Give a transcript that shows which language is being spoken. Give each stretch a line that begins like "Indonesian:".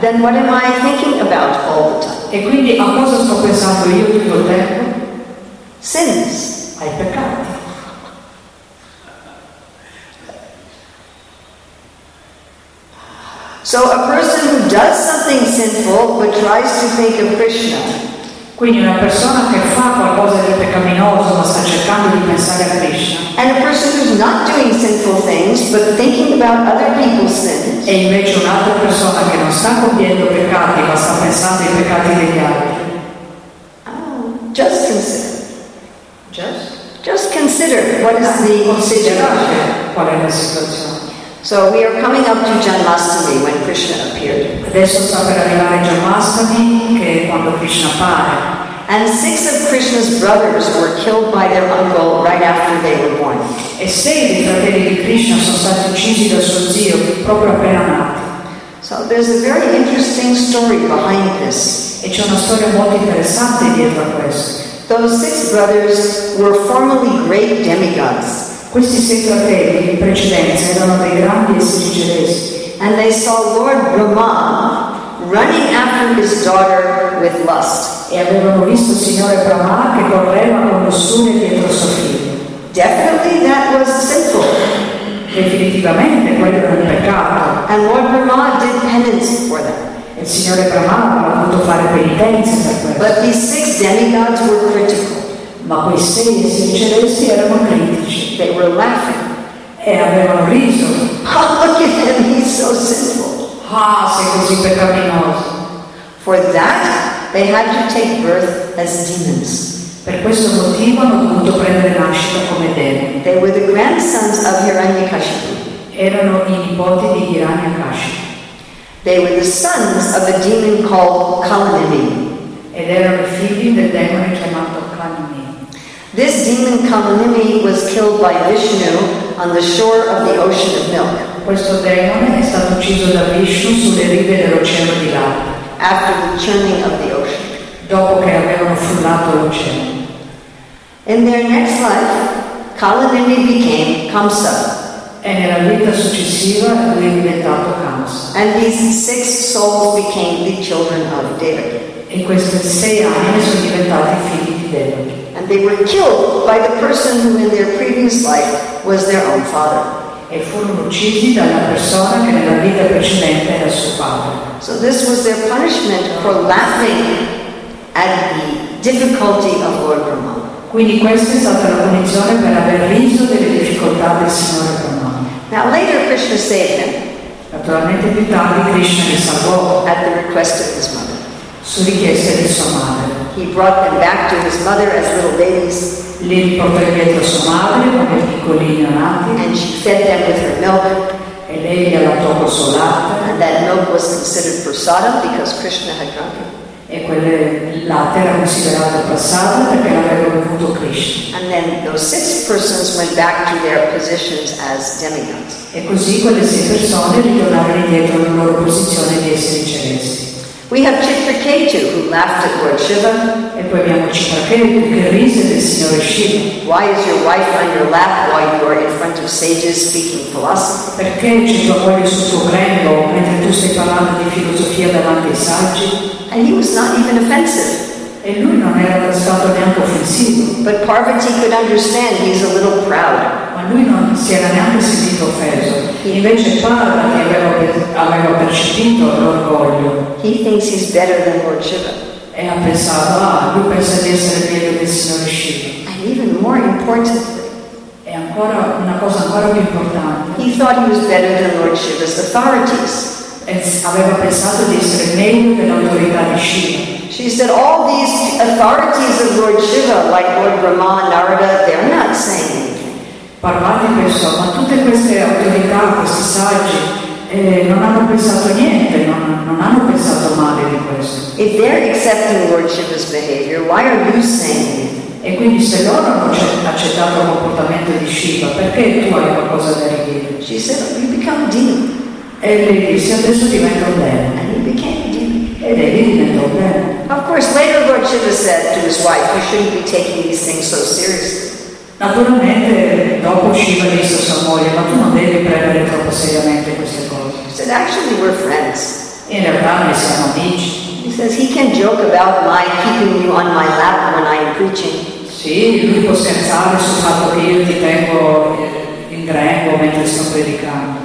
English: Then what am I thinking about all the time?
Italian: E quindi a cosa sto pensando io tutto il tempo?
English: Sins.
Italian: Ai peccati.
English: So a person who does something sinful but tries to think of Krishna.
Italian: Quindi una persona che fa qualcosa di peccaminoso ma sta cercando di pensare a Krishna.
English: And a person who's not doing sinful things but thinking about other people's sins.
Italian: E invece un'altra persona che non sta compiendo peccati ma sta pensando ai peccati degli altri.
English: Just consider. Just consider what is the situation.
Italian: Qual è la situazione?
English: So we are coming up to Janmasthami when Krishna appeared.
Italian: Adesso sta per arrivare Janmasthami, che è quando Krishna appare.
English: And six of Krishna's brothers were killed by their uncle right after they were born.
Italian: E sei dei fratelli di Krishna sono stati uccisi da suo zio proprio appena nati.
English: So there's a very interesting story behind this.
Italian: E c'è una storia molto interessante dietro a questo.
English: Those six brothers were formerly great demigods.
Italian: Questi sei fratelli in precedenza erano dei grandi esigeresi.
English: And they saw Lord Brahma running after his daughter with lust.
Italian: E avevano visto il signore Brahma che correva con lussuria dietro suo figlio.
English: Definitely that was sinful.
Italian: Definitivamente quello era un peccato.
English: And Lord Brahma did penance for them.
Italian: Il signore Brahma ha dovuto fare penitenza per questo.
English: But these six demigods were critical.
Italian: Ma quei sei esigeresi erano critici.
English: They were laughing.
Italian: E avevano riso.
English: Oh, look at him, he's so sinful.
Italian: Ah, sei così peccaminoso.
English: For that, they had to take birth as demons.
Italian: Per questo motivo hanno dovuto prendere nascita come demoni.
English: They were the grandsons of Hiranyakashipu.
Italian: Erano i nipoti di Hiranyakashipu.
English: They were the sons of a demon called Kalanemi.
Italian: ed erano figli del demone chiamato Kalini.
English: This demon Kalini was killed by Vishnu on the shore of the ocean of milk.
Italian: Questo demone è stato ucciso da Vishnu sulle rive dell'oceano di latte.
English: After the churning of the ocean.
Italian: Dopo che avevano frullato l'oceano.
English: In their next life, Kalanini became Kamsa.
Italian: E nella vita successiva lui è diventato Kamsa.
English: And these six souls became the children of David.
Italian: E queste sei anime sono diventati figli di David.
English: And they were killed by the person who in their previous life was their own father.
Italian: E furono uccisi dalla persona che nella vita precedente era suo padre.
English: So this was their punishment for laughing at the difficulty of Lord Brahma.
Italian: Quindi questa è stata la punizione per aver riso delle difficoltà del Signore Brahma.
English: Now later Krishna saved him.
Italian: Naturalmente più tardi Krishna li salvò.
English: At the request of his mother.
Italian: Su richiesta di sua madre.
English: He brought them back to his mother as little babies.
Italian: Li riportò indietro sua madre come piccolini nati.
English: And she fed them with her milk.
Italian: E lei gli allattò con suo latte.
English: And that milk was considered prasadam because Krishna had drunk it.
Italian: E quel latte era considerato passato perché l'aveva bevuto Krishna.
English: And then those six persons went back to their positions as demigods.
Italian: E così quelle sei persone ritornarono indietro alla loro posizione di esseri celesti.
English: We have Chitraketu who laughed at Lord Shiva.
Italian: E poi abbiamo Chitraketu che rise del signore Shiva.
English: Why is your wife on your lap while you are in front of sages speaking philosophy?
Italian: Perché c'è tua moglie sul tuo grembo mentre tu stai parlando di filosofia davanti ai saggi?
English: And he was not even offensive.
Italian: E lui non era stato neanche offensivo.
English: But Parvati could understand he's a little proud.
Italian: Ma lui non si era neanche sentito offeso. E invece Parvati aveva percepito l'orgoglio.
English: He thinks he's better than Lord Shiva.
Italian: E ha pensato, lui pensa di essere meglio del signor Shiva.
English: And even more importantly.
Italian: E ancora una cosa ancora più importante.
English: He thought he was better than Lord Shiva's authorities.
Italian: Aveva pensato di essere meglio dell'autorità di Shiva.
English: She said all these authorities of Lord Shiva, like Lord Brahma, Narada, they're not saying anything.
Italian: Parvati pensò, ma tutte queste autorità, questi saggi, non hanno pensato niente, non hanno pensato male di questo.
English: If they're accepting Lord Shiva's behavior, why are you saying anything?
Italian: E quindi se loro non hanno accettato il comportamento di Shiva, perché tu hai qualcosa da dire?
English: She said, you become demon.
Italian: E lui disse, adesso diventa un demone.
English: And he became a demon.
Italian: Ed egli diventò un demone.
English: Of course, later Lord Shiva said to his wife, you shouldn't be taking these things so seriously.
Italian: Naturalmente, dopo Shiva disse a sua moglie, ma tu non devi prendere troppo seriamente queste cose.
English: He said, actually, we're friends.
Italian: In realtà, noi siamo amici.
English: He says, he can joke about my keeping you on my lap when I am preaching.
Italian: Sì, lui può scherzare sul fatto che io ti tengo in grembo mentre sto predicando.